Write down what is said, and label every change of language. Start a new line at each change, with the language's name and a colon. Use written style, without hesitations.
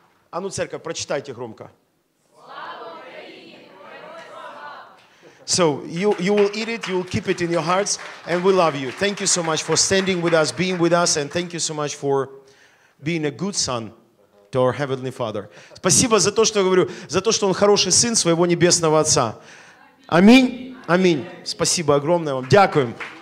Russian: А ну, церковь, прочитайте громко.
English: So you will eat it, you will keep it in your hearts, and we love you. Thank you so much for standing with us, being with us, and thank you so much for being a good son to our heavenly Father.
Russian: Спасибо за то, что я говорю, за то, что он хороший сын своего небесного отца. Аминь. Аминь. Спасибо огромное вам.
Ukrainian: Дякуем.